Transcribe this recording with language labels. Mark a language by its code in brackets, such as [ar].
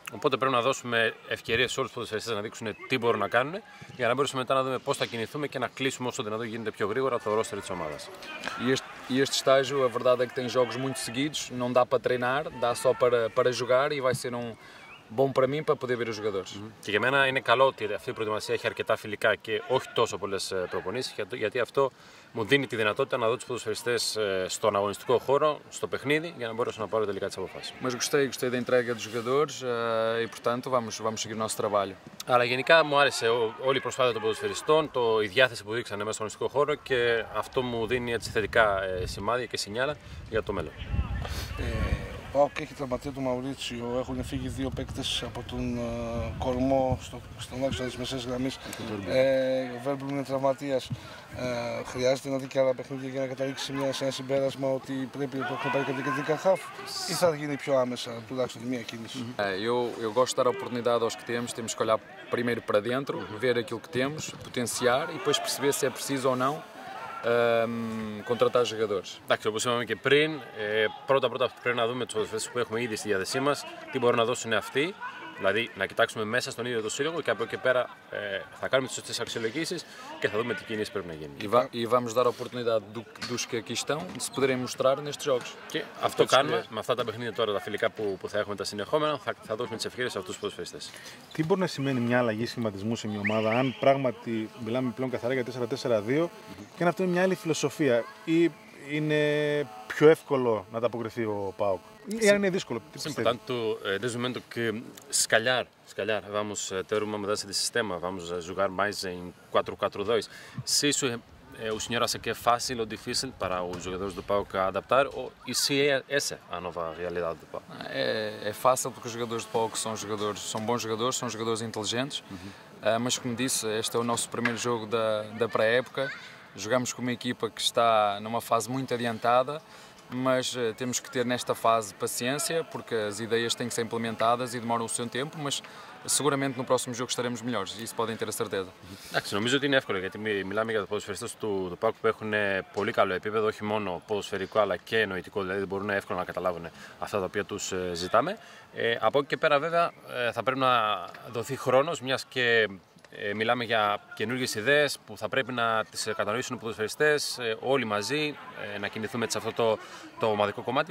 [el] Οπότε πρέπει να δώσουμε ευκαιρίες σε όλους τους ποδοσφαιριστές να δείξουν τι μπορούν να κάνουν για να μπορέσουμε μετά να δούμε πώς θα κινηθούμε και να κλείσουμε όσο δυνατόν γίνεται πιο γρήγορα το roster της ομάδας. [pt] Este estágio, a verdade é que tem jogos muito seguidos, não dá para treinar, dá só para jogar e vai ser bom para mim para poder ver os jogadores. [el] Και για μένα είναι καλό ότι αυτή η προετοιμασία έχει αρκετά φιλικά και όχι τόσο πολλές προπονήσεις, γιατί αυτό μου δίνει τη δυνατότητα να δω τους ποδοσφαιριστές στον αγωνιστικό χώρο, στο παιχνίδι, για να μπορέσω να πάρω τελικά τις αποφάσεις. [pt] Mas gostei da entrega dos jogadores e portanto vamos seguir o nosso trabalho. [el] Αλλά γενικά μου άρεσε όλη η προσπάθεια των ποδοσφαιριστών, η διάθεση που δείξανε μέσα στον αγωνιστικό χώρο και αυτό μου δίνει έτσι θετικά σημάδια και σινιάλα για το μέλλον. ΠΑΟΚ έχει τραυματίσει τον Μαουρίτσιο, έχουν φύγει δύο παίκτες από τον κορμό στον άξονα της μεσαίας γραμμής. Ο Βέρμπλουμ είναι τραυματίας. Χρειάζεται να δει και άλλα παιχνίδια για να καταλήξει σε ένα συμπέρασμα ότι πρέπει να έχουν πάρει κάποια κεντρικά χαφ ή θα γίνει πιο άμεσα, τουλάχιστον μία κίνηση. [pt] Eu gosto de dar a oportunidade aos que temos, temos que olhar primeiro para dentro, ver aquilo que temos, potenciar e depois perceber se é preciso ou não. Contratar jogadores. [el] Εντάξει, όπως είπαμε και πριν, πρώτα-πρώτα πρέπει να δούμε τους ποδοσφαιριστές που έχουμε ήδη στη διάθεσή μας, τι μπορούν να δώσουν αυτοί, δηλαδή να κοιτάξουμε μέσα στον ίδιο το σύλλογο και από εκεί πέρα θα κάνουμε τις σωστές αξιολογήσεις και θα δούμε τι κινήσεις πρέπει να γίνουν. [pt] E vamos dar a oportunidade dos que aqui estão de se poderem mostrar nestes jogos. [el] Και αυτό κάνουμε με αυτά τα παιχνίδια τώρα, τα φιλικά που θα έχουμε τα συνεχόμενα, θα δώσουμε τις ευκαιρίες σε αυτούς τους ποδοσφαιριστές. Τι μπορεί να σημαίνει μια αλλαγή σχηματισμού σε μια ομάδα, αν πράγματι μιλάμε πλέον καθαρά για 4-4-2 και αν αυτό είναι μια άλλη φιλοσοφία, ή είναι πιο εύκολο να τα αποκριθεί ο ΠΑΟΚ? [pt] Portanto, desde o momento que se calhar vamos ter uma mudança de sistema, vamos jogar mais em 4-4-2, se isso o senhor acha que é fácil ou difícil para os jogadores do PAOK adaptar, e se é essa a nova realidade do PAOK? É fácil porque os jogadores do PAOK são bons jogadores inteligentes, mas como disse, este é o nosso primeiro jogo da pré-época, jogamos com uma equipa que está numa fase muito adiantada, mas temos que ter nesta fase paciência, porque as ideias têm que ser implementadas e demoram o seu tempo, mas seguramente no próximo jogo estaremos melhores, isso podem ter a certeza. [el] Νομίζω ότι είναι εύκολο, γιατί μιλάμε για τους ποδοσφαιριστές του ΠΑΟΚ που έχουν πολύ καλό επίπεδο, όχι μόνο ποδοσφαιρικό αλλά και νοητικό, δηλαδή μπορούν εύκολα να καταλάβουν αυτά τα οποία τους ζητάμε. Από εκεί και πέρα βέβαια θα πρέπει να δοθεί χρόνος, μιας και μιλάμε για καινούργιες ιδέες που θα πρέπει να τις κατανοήσουν οι ποδοσφαιριστές όλοι μαζί, να κινηθούμε σε αυτό το ομαδικό κομμάτι.